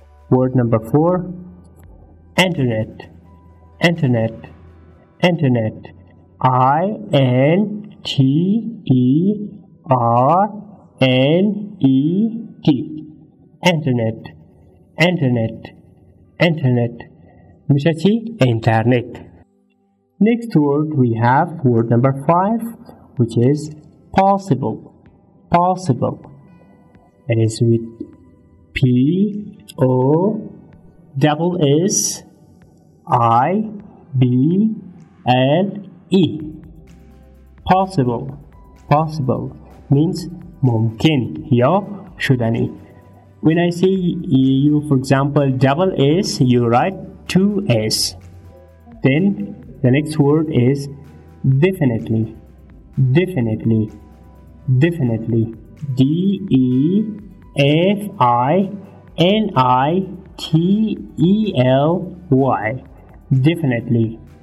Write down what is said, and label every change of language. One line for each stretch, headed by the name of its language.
English: Word number 4 internet. Internet internet I N T E R N E T internet.
Persian: Internet internet میشه چی؟ اینترنت.
English: Next word we have word number 5, which is possible. Possible it is with P O double S I B L E possible. Possible means
Persian: ممکن یا شدنی.
English: When I say you, for example, double S, you write two S. Then the next word is definitely. Definitely. Definitely. D-E-F-I-N-I-T-E-L-Y. Definitely.